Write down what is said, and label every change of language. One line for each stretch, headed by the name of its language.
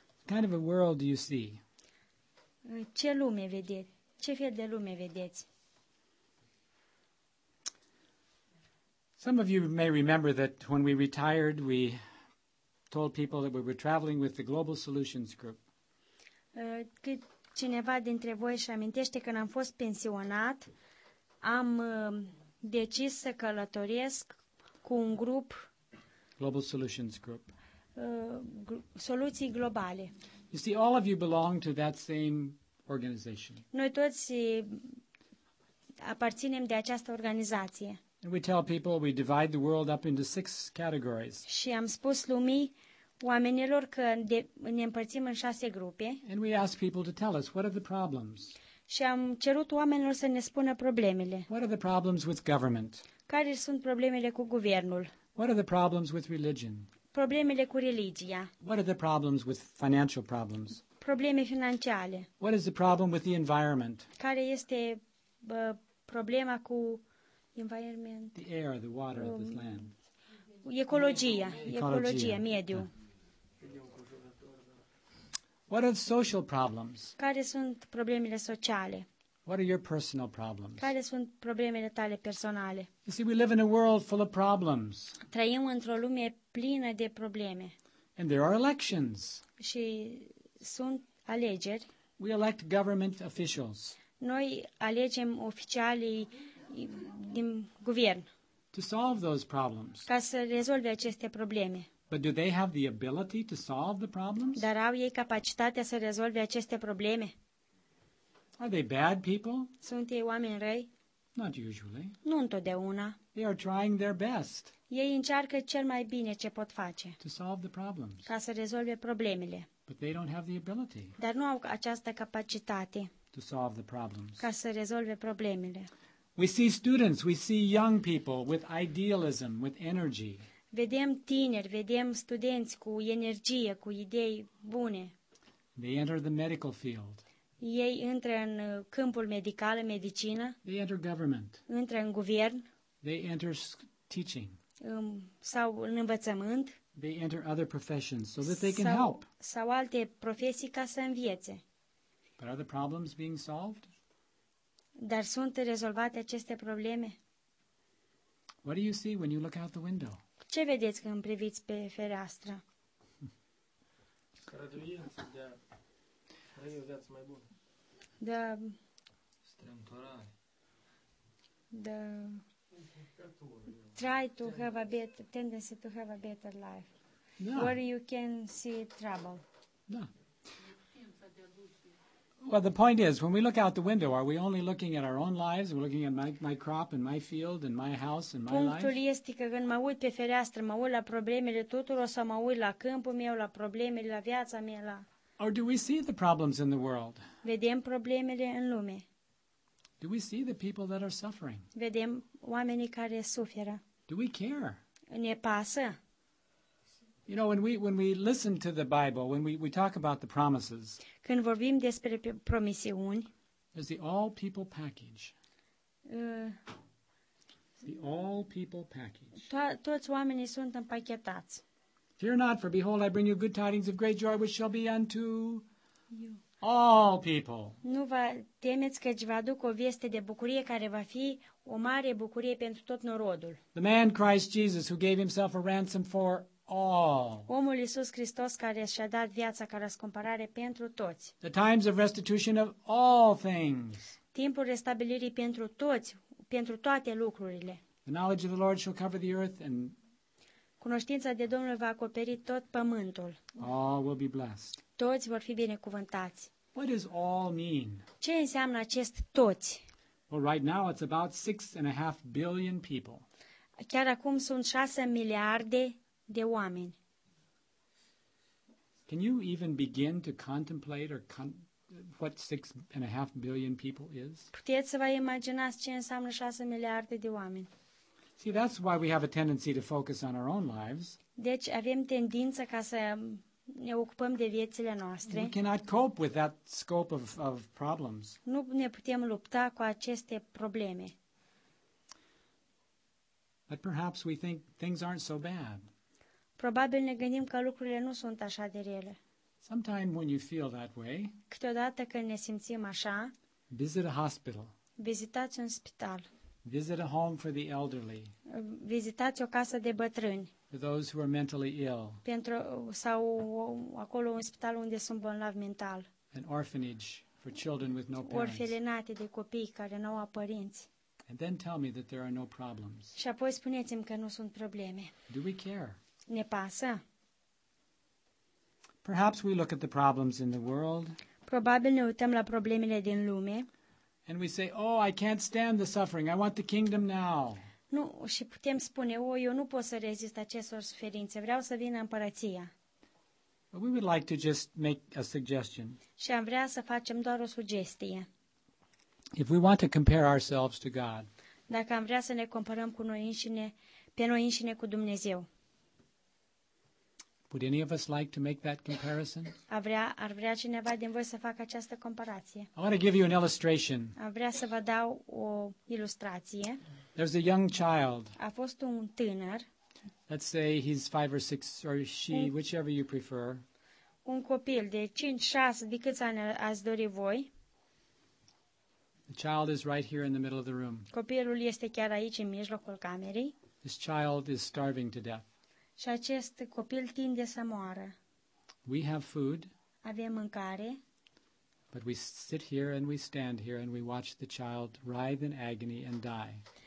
English: What kind of a world do you see?
Romanian: Ce lume vedeți? Ce fel de lume vedeți?
English: Some of you may remember that when we retired, we told people that we were traveling with the Global Solutions Group.
Romanian: Cineva dintre voi își amintește când am fost pensionat, am decis să călătoresc cu un grup.
English: Global Solutions Group.
Romanian: Soluții globale.
English: You see, all of you belong to that same organization.
Romanian: Noi toți aparținem de această organizație.
English: And we tell people we divide the world up into 6 categories.
Romanian: Și am spus lumii oamenilor că ne împărțim în 6 grupe.
English: And we ask people to tell us what are the problems.
Romanian: Și am cerut oamenilor să ne spună problemele.
English: What are the problems with government?
Romanian: Care sunt problemele cu guvernul?
English: What are the problems with religion?
Romanian: Problemele cu religia.
English: What are the problems with financial problems?
Romanian: Probleme financiare.
English: What is the problem with the environment?
Romanian: Care este problema cu environment,
English: the air, the water, the land.
Romanian: Ecologia, mediu.
English: Yeah. What are the social problems?
Romanian: Care sunt problemele sociale?
English: What are your personal problems?
Romanian: Care sunt problemele tale personale?
English: You see, we live in a world full of problems.
Romanian: Trăim într-o lume plină de probleme.
English: And there are elections.
Romanian: Și sunt alegeri.
English: We elect government officials.
Romanian: Noi alegem oficialii din guvern.
English: To solve those problems.
Romanian: Ca să rezolve aceste probleme.
English: But do they have the ability to solve the problems?
Romanian: Dar au ei capacitatea să rezolve aceste probleme?
English: Are they bad people?
Romanian: Sunt ei oameni răi?
English: Not usually.
Romanian: Nu întotdeauna.
English: They are trying their best.
Romanian: Ei încearcă cel mai bine ce pot face.
English: To solve the problems.
Romanian: Ca să rezolve problemele.
English: But they don't have the ability.
Romanian: Dar nu au această capacitate.
English: To solve the problems.
Romanian: Ca să rezolve problemele.
English: We see students, we see young people with idealism, with energy.
Romanian: Vedem tineri, vedem studenți cu energie, cu idei bune.
English: They enter the medical field.
Romanian: Ei intră în câmpul medical, în medicină.
English: They enter government.
Romanian: Intră în guvern.
English: They enter teaching.
Romanian: Sau în învățământ.
English: They enter other professions so that they can help.
Romanian: Sau alte profesii ca să învețe.
English: But are the problems being solved?
Romanian: Dar sunt rezolvate aceste probleme?
English: What do you see when you look out the window?
Romanian: Ce vedeți când priviți pe fereastră? Străduință de a trăi o viață mai bună. Da. Strâmtorare.
English: Da. Try to have a better tendency to have a better life.
Romanian: Da.
English: Where you can see trouble.
Romanian: Da.
English: Well, the point is, when we look out the window, are we only looking at our own lives? We're looking at my crop and my field and my house and my
Romanian: punctul
English: life?
Romanian: Punctul este că când mă uit pe fereastră, mă uit la problemele tuturor sau mă uit la câmpul meu, la problemele, la viața mea, la...
English: Or do we see the problems in the world?
Romanian: Vedem problemele în lume.
English: Do we see the people that are suffering?
Romanian: Vedem oamenii care suferă.
English: Do we care?
Romanian: Ne pasă.
English: You know, when we listen to the Bible, when we talk about the promises,
Romanian: când vorbim despre promisiuni,
English: there's the all people package. The all people package.
Romanian: Toți oamenii sunt împachetați.
English: Fear not, for behold, I bring you good tidings of great joy, which shall be unto all people.
Romanian: Nu vă temeți, căci vă aduc o veste de bucurie care va fi o mare bucurie pentru tot norodul.
English: The man Christ Jesus, who gave himself a ransom for all.
Romanian: Omul Iisus Hristos care și-a dat viața ca răscumpărare pentru toți.
English: The times of restitution of all things.
Romanian: Timpul restabilirii pentru toți, pentru toate lucrurile.
English: The knowledge of the Lord shall cover the earth and
Romanian: cunoștința de Domnul va acoperi tot pământul.
English: All will be blessed.
Romanian: Toți vor fi binecuvântați.
English: What does all mean?
Romanian: Ce înseamnă acest toți?
English: Well, right now it's about 6.5 billion people.
Romanian: Chiar acum sunt 6 miliarde de oameni.
English: Can you even begin to contemplate or what 6.5 billion people is?
Romanian: Puteți să vă imaginați ce înseamnă 6 miliarde de oameni?
English: See, that's why we have a tendency to focus on our own lives.
Romanian: Deci avem tendința ca să ne ocupăm de viețile noastre.
English: We cannot cope with that scope of problems.
Romanian: Nu ne putem lupta cu aceste probleme.
English: But perhaps we think things aren't so bad.
Romanian: Probabil ne gândim că lucrurile nu sunt așa de rele.
English: Sometime when you feel that way,
Romanian: câteodată când ne simțim așa,
English: visit a hospital.
Romanian: Vizitați un spital.
English: Visit a home for the elderly.
Romanian: Vizitați o casă de bătrâni.
English: For those who are mentally ill.
Romanian: Pentru sau acolo un spital unde sunt bolnavi mental.
English: An orphanage for children with no parents.
Romanian: Orfelinate de copii care nu au părinți.
English: And then tell me that there are no problems.
Romanian: Și apoi spuneți-mi că nu sunt probleme.
English: Do we care?
Romanian: Ne pasă?
English: Perhaps we look at the problems in the world.
Romanian: Probabil ne uităm la problemele din lume.
English: And we say, "Oh, I can't stand the suffering. I want the kingdom now."
Romanian: Nu, și putem spune, "Oh, eu nu pot să rezist acestor suferințe. Vreau să vină împărăția."
English: But we would like to just make a suggestion.
Romanian: Și am vrea să facem doar o sugestie.
English: If we want to compare ourselves to God.
Romanian: Dacă am vrea să ne comparăm cu noi înșine, pe noi înșine cu Dumnezeu.
English: Would any of us like to make that comparison?
Romanian: Ar vrea cineva din voi să facă această comparație?
English: I want to give you an illustration.
Romanian: Ar vrea să vă dau o ilustrație.
English: There's a young child.
Romanian: A fost un tânăr.
English: Let's say he's 5 or 6 or she, whichever you prefer.
Romanian: Un copil de 5-6, de câți ani ați dori voi?
English: The child is right here in the middle of the room.
Romanian: Copilul este chiar aici în mijlocul camerei.
English: This child is starving to death.
Romanian: Și acest copil tinde să moară.
English: We have food.
Romanian: Avem mâncare.
English: But we sit here and we stand here and we watch the child writhe in agony and die.